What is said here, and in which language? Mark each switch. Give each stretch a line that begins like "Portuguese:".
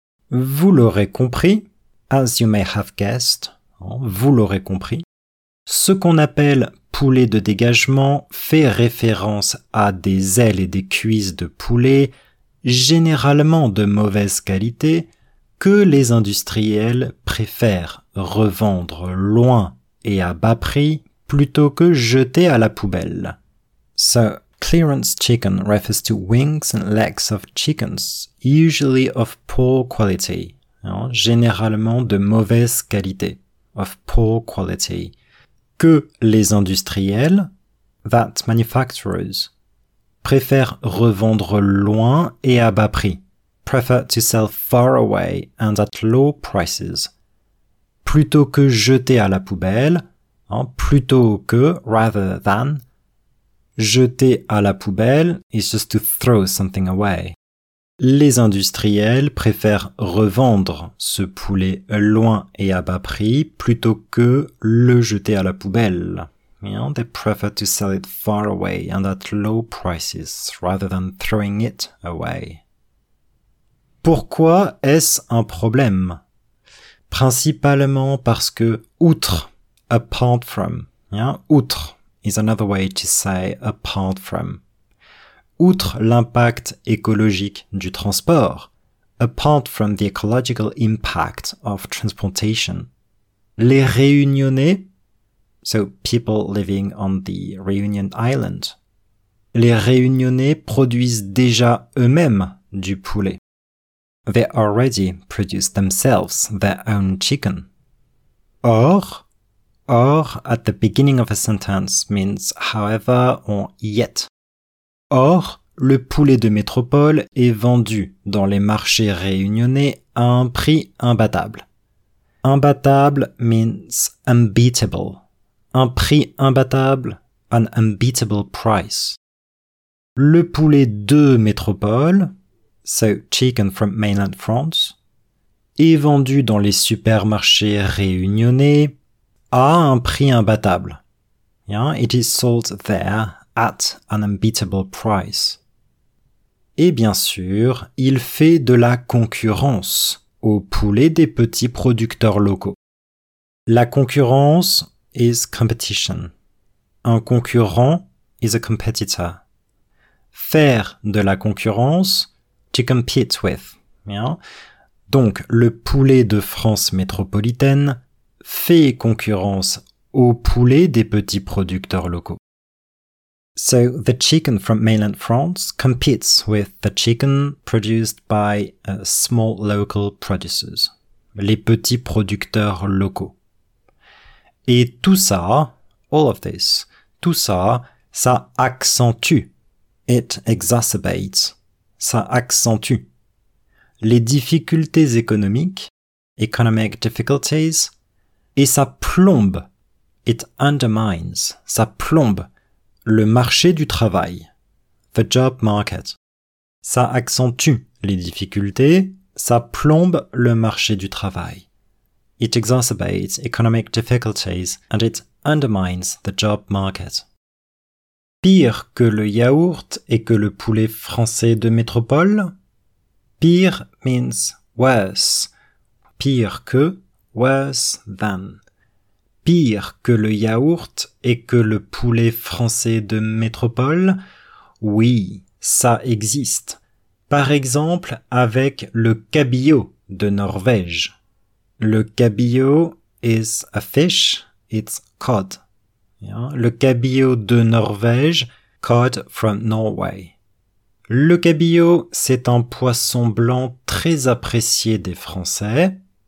French: Vous l'aurez compris,
English: as you may have guessed,
French: vous l'aurez compris, ce qu'on appelle poulet de dégagement fait référence à des ailes et des cuisses de poulet généralement de mauvaise qualité que les industriels préfèrent revendre loin et à bas prix plutôt que jeter à la poubelle.
English: So, clearance chicken refers to wings and legs of chickens, usually of poor quality.
French: Généralement de mauvaise qualité.
English: Of poor quality.
French: Que les industriels,
English: that manufacturers,
French: préfèrent revendre loin et à bas prix.
English: Prefer to sell far away and at low prices.
French: Plutôt que jeter à la poubelle, plutôt que,
English: rather than,
French: jeter à la poubelle
English: is just to throw something away.
French: Les industriels préfèrent revendre ce poulet loin et à bas prix plutôt que le jeter à la poubelle.
English: Yeah, they prefer to sell it far away and at low prices rather than throwing it away.
French: Pourquoi est-ce un problème? Principalement parce que outre,
English: apart from, yeah, outre is another way to say apart from.
French: Outre l'impact écologique du transport,
English: apart from the ecological impact of transportation,
French: les Réunionnais,
English: so people living on the Réunion Island,
French: les Réunionnais produisent déjà eux-mêmes du poulet.
English: They already produce themselves their own chicken. Or at the beginning of a sentence means however or yet.
French: Or, le poulet de métropole est vendu dans les marchés réunionnais à un prix imbattable.
English: Imbattable means unbeatable.
French: Un prix imbattable,
English: an unbeatable price.
French: Le poulet de métropole,
English: so chicken from mainland France,
French: est vendu dans les supermarchés réunionnais à un prix imbattable.
English: Yeah, it is sold there at an unbeatable price.
French: Et bien sûr, il fait de la concurrence au poulet des petits producteurs locaux.
English: La concurrence is competition. Un concurrent is a competitor.
French: Faire de la concurrence,
English: to compete with. Yeah?
French: Donc, le poulet de France métropolitaine fait concurrence au poulet des petits producteurs locaux.
English: So, the chicken from mainland France competes with the chicken produced by small local producers.
French: Les petits producteurs locaux. Et tout ça,
English: all of this,
French: tout ça, ça accentue.
English: It exacerbates.
French: Ça accentue. Les difficultés économiques,
English: economic difficulties,
French: et ça plombe.
English: It undermines.
French: Ça plombe. Le marché du travail,
English: the job market,
French: ça accentue les difficultés, ça plombe le marché du travail.
English: It exacerbates economic difficulties and it undermines the job market.
French: Pire que le yaourt et que le poulet français de métropole?
English: Pire means worse. Pire que, worse than.
French: Pire que le yaourt et que le poulet français de métropole? Oui, ça existe. Par exemple, avec le cabillaud de Norvège.
English: Le cabillaud is a fish, it's cod.
French: Le cabillaud de Norvège,
English: cod from Norway.
French: Le cabillaud, c'est un poisson blanc très apprécié des Français.